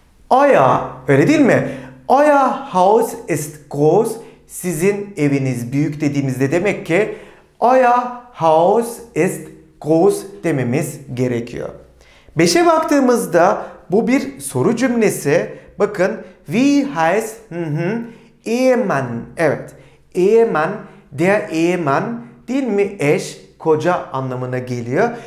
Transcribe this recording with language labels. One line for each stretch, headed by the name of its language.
German: Euer,
Turkish: öyle değil mi?
German: Euer Haus ist groß.
Turkish: Sizin eviniz büyük dediğimizde demek ki
German: Euer Haus ist groß
Turkish: dememiz gerekiyor. 5'e baktığımızda bu bir soru cümlesi. Bakın
German: wie heißt Ehemann.
Turkish: Evet. Ehemann, der Ehemann değil mi? Eş, koca anlamına geliyor.